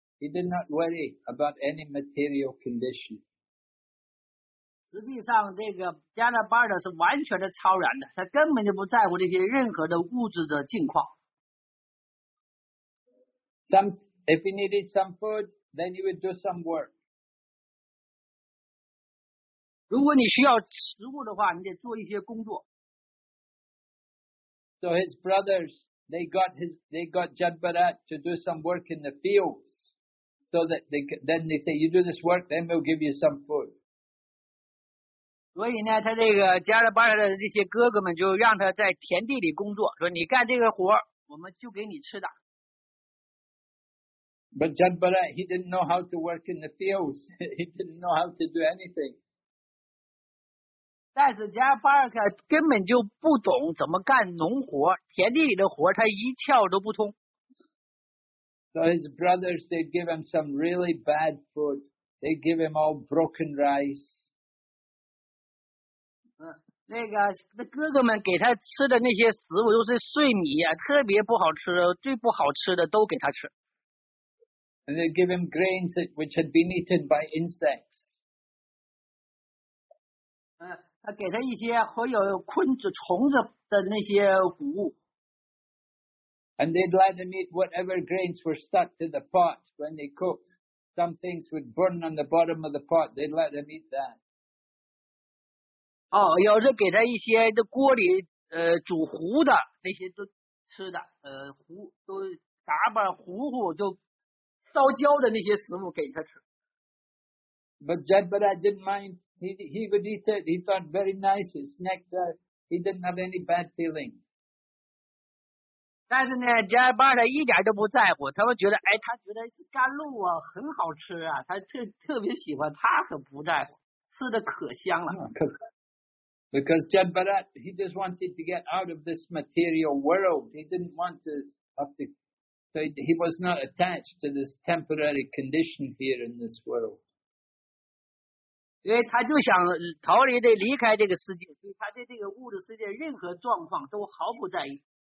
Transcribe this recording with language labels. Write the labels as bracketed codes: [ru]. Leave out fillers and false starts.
[en] He did not worry about any material condition. [zh] 实际上这个加德巴尔是完全的超然的，他根本就不在乎这些任何的物质的境况。 [en] If he needed some food, then he would do some work. [zh] 如果你需要食物的话，你得做一些工作。 [en] So his brothers, they got Jadbarat to do some work in the fields. So that they say, you do this work, then we'll give you some food. [zh] 所以呢，他这个加德巴尔的这些哥哥们就让他在田地里工作，说你干这个活，我们就给你吃的。 [en] But Jadbarat, he didn't know how to work in the fields. He didn't know how to do anything. [zh] 但是加德巴尔根本就不懂怎么干农活，田地里的活他一窍都不通。 [en] So his brothers, they'd give him some really bad food. They'd give him all broken rice. [zh] 那哥哥们给他吃的那些食物都是碎米啊，特别不好吃，最不好吃的都给他吃。 [en] And they'd give him grains which had been eaten by insects. [zh] 他给他一些和有昆子虫子的那些谷物。 [en] And they'd let him eat whatever grains were stuck to the pot when they cooked. Some things would burn on the bottom of the pot. They'd let him eat that. [zh] 哦，有时给他一些的锅里煮糊的那些都吃的，糊都打把糊糊就烧焦的那些食物给他吃。 [en] But Jadbarat didn't mind. He would eat it. He thought very nice. His nectar. He didn't have any bad feeling. [zh] 但是呢，加巴尔一点都不在乎，他们觉得，哎，他觉得是甘露啊，很好吃啊，他特别喜欢，他可不在乎，吃的可香了。 [en] Because Jadbarat, he just wanted to get out of this material world. He didn't want to have to, so he was not attached to this temporary condition here in this world. [zh] 因为他就想逃离的离开这个世界，所以他对这个物质世界任何状况都毫不在意。